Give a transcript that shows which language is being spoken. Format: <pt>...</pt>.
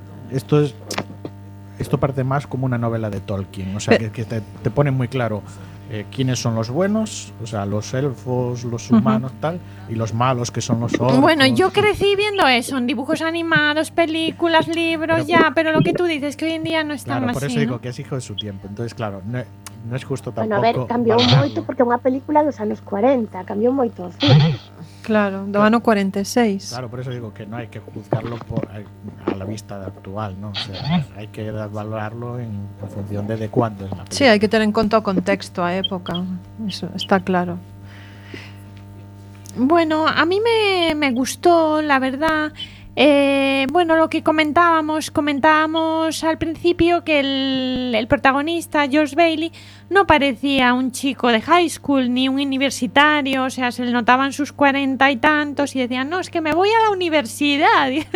<es>Esto parte más como una novela de Tolkien, o sea, que te pone muy claro. ¿Quiénes son los buenos? O sea, los elfos, los humanos, tal. Y los malos, que son los orcos. Bueno, yo crecí viendo eso en dibujos animados, películas, libros, pero lo que tú dices, que hoy en día no está claro, más por así, eso digo, ¿no? Que es hijo de su tiempo. Entonces, claro,</es> <gl>non é xusto tampouco. Bueno, a ver, cambiou moito porque é unha película dos anos 40, cambiou moito, sí. Claro, do ano 46.</gl> <es>Claro, por eso digo que no hay que juzgarlo por, a la vista de actual, ¿no? O sea, hay que valorarlo en función de cuándo es la película. Sí, hay que tener en cuenta contexto,</es> <gl>a época,</gl> <es>eso está claro. Bueno, a mí me gustó, la verdad. Bueno, lo que comentábamos al principio, que el protagonista, George Bailey, no parecía un chico de high school ni un universitario, o sea, se le notaban sus 40 y tantos y decían, no, es que me voy a la universidad.</es>